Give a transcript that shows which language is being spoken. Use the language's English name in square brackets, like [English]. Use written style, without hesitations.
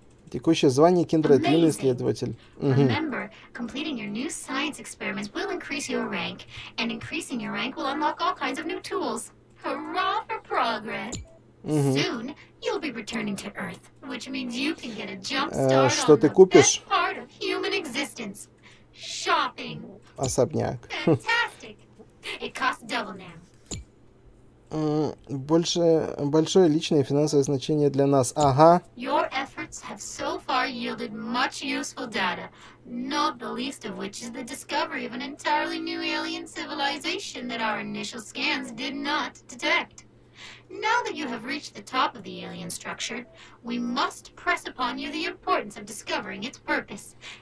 [Russian] Текущее звание Kindred, юный исследователь. [English] Remember, completing your new science experiments will increase your rank, and increasing your rank will unlock all kinds of new tools. Hurrah for progress! Soon you'll be returning to Earth, which means you can get a jump start on the best part of human existence. Shopping. Особняк. Fantastic. It costs double now. [Russian] Большое личное финансовое значение для нас. Ага. [English] Your efforts have so far yielded much useful data, not the least of which is the discovery of an entirely new alien civilization that our initial scans did not detect. Now that you have reached the top of the alien structure, we must press upon you the importance of discovering its purpose.